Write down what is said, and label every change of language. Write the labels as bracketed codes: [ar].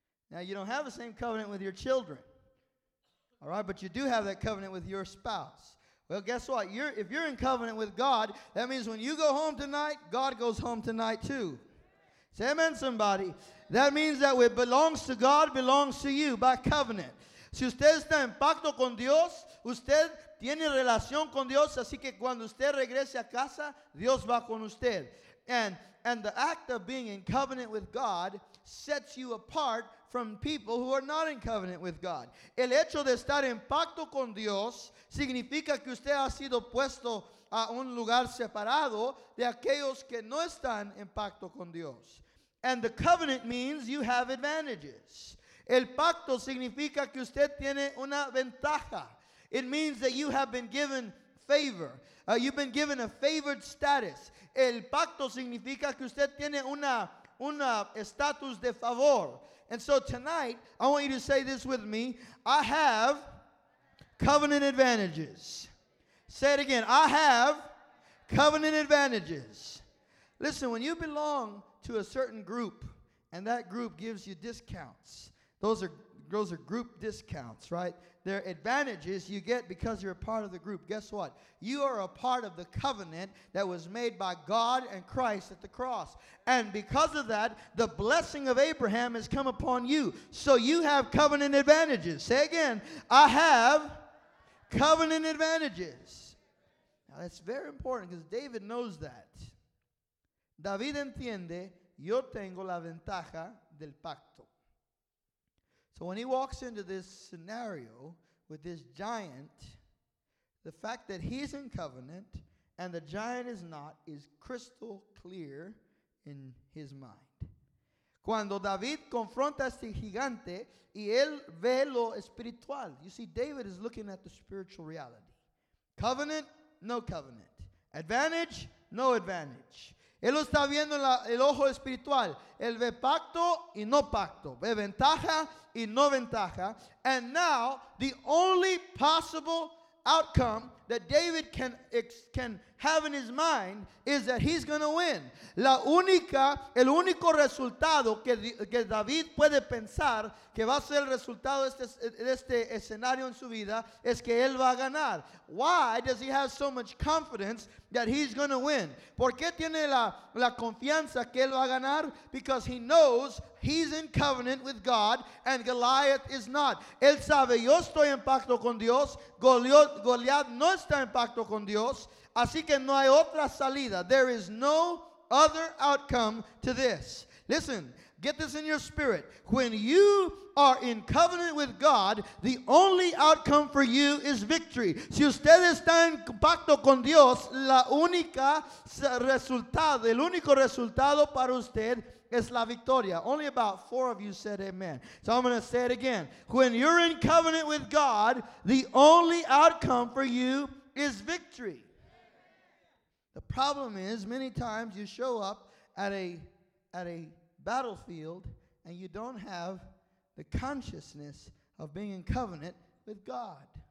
[en] Now, you don't have the same covenant with your children, all right? But you do have that covenant with your spouse. Well, guess what? If you're in covenant with God, that means when you go home tonight, God goes home tonight too. Say amen, somebody. That means that what belongs to God belongs to you by covenant. [es] Si usted está en pacto con Dios, usted tiene relación con Dios, así que cuando usted regrese a casa, Dios va con usted. [en] And the act of being in covenant with God sets you apart from people who are not in covenant with God. [es] El hecho de estar en pacto con Dios significa que usted ha sido puesto a un lugar separado de aquellos que no están en pacto con Dios. [en] And the covenant means you have advantages. [es] El pacto significa que usted tiene una ventaja. [en] It means that you have been given favor. You've been given a favored status. [es] El pacto significa que usted tiene una estatus de favor. [en] And so tonight, I want you to say this with me. I have covenant advantages. Say it again. I have covenant advantages. Listen, when you belong to a certain group, and that group gives you discounts, those are group discounts, right? There are advantages you get because you're a part of the group. Guess what? You are a part of the covenant that was made by God and Christ at the cross. And because of that, the blessing of Abraham has come upon you. So you have covenant advantages. Say again, I have covenant advantages. Now that's very important because David knows that. [es] David entiende, yo tengo la ventaja del pacto. [en] So when he walks into this scenario with this giant, the fact that he's in covenant and the giant is not is crystal clear in his mind. [es] Cuando David confronta a este gigante y él ve lo espiritual. [en] You see, David is looking at the spiritual reality. Covenant, no covenant. Advantage, no advantage. [es] Él lo está viendo el ojo espiritual. Él ve pacto y no pacto. Ve ventaja y no ventaja. [en] And now, the only possible outcome that David can have in his mind is that he's going to win. [es] El único resultado que David puede pensar que va a ser el resultado de este escenario en su vida es que él va a ganar. [en] Why does he have so much confidence that he's going to win? [es] ¿Por qué tiene la confianza que él va a ganar? [en] Because he knows he's in covenant with God and Goliath is not. [es] Él sabe, yo estoy en pacto con Dios, Goliath no está en pacto con Dios, así que no hay otra salida. [en] There is no other outcome to this. Listen, get this in your spirit. When you are in covenant with God, the only outcome for you is victory. [es] Si usted está en pacto con Dios, el único resultado para usted es la victoria. [en] Only about four of you said amen. So I'm going to say it again. When you're in covenant with God, the only outcome for you is victory. The problem is, many times you show up at a battlefield and you don't have the consciousness of being in covenant with God.